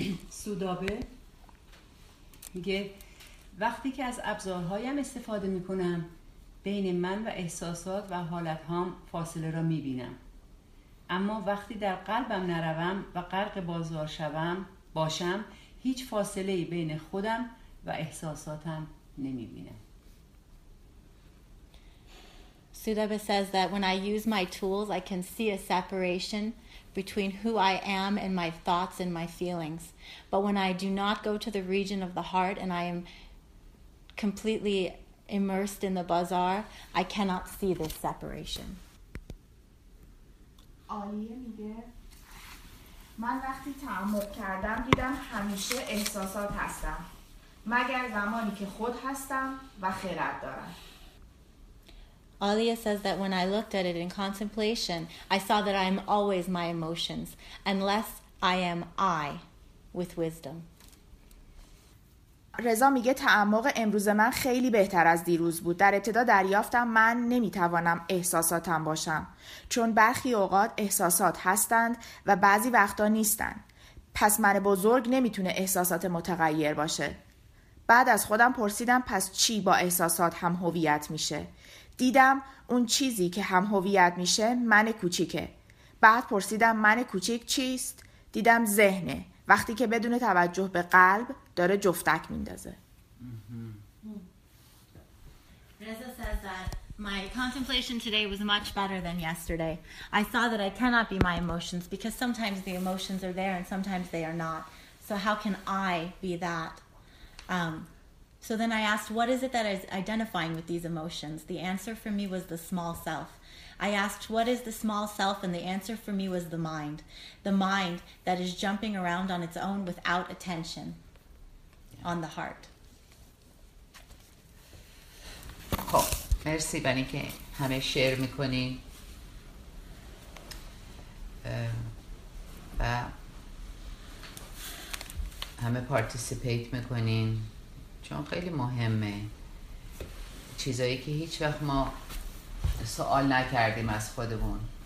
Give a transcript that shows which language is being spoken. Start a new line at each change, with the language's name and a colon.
Persian: سودابه میگه وقتی که از ابزارهایم استفاده میکنم، بین من و احساسات و حالتهام فاصله را میبینم، اما وقتی در قلبم نروم و غرق بازار باشم، هیچ فاصله بین خودم و احساساتم نمیبینم.
English: Sudhabha says that when I use my tools, I can see a separation between who I am and my thoughts and my feelings. But when I do not go to the region of the heart and I am completely immersed in the bazaar, I cannot see this separation.
Persian: آیه میگه من وقتی تعمق کردم دیدم همیشه احساسات هستم، مگر زمانی که خود هستم و خرد دارم.
English: Alia says that when I looked at it in contemplation, I saw that I am always my emotions, unless I am I with wisdom.
Persian: رضا میگه تعمق امروز من خیلی بهتر از دیروز بود. در ابتدا دریافتم من نمیتوانم احساساتم باشم، چون برخی اوقات احساسات هستند و بعضی وقتا نیستند. پس من بزرگ نمیتونه احساسات متغیر باشه. بعد از خودم پرسیدم پس چی با احساسات هم هویت میشه؟ دیدم اون چیزی که هم هویت میشه من کوچیکه. بعد پرسیدم من کوچیک چیست؟ دیدم ذهنه، وقتی که بدون توجه به قلب داره جفتک میندازه.
English: Reza says that my contemplation today was much better than yesterday. I saw that I cannot be my emotions because sometimes the emotions are there and sometimes they are not. So how can I be that? So then I asked, what is it that is identifying with these emotions? The answer for me was the small self. I asked, what is the small self? And the answer for me was the mind. The mind that is jumping around on its own without attention on the heart.
Persian: خب، مرسی بنی که همه شیر میکنی. و همه پارتیسیپیت میکنین. چون خیلی مهمه چیزایی که هیچ وقت ما سوال نکردیم از خودمون.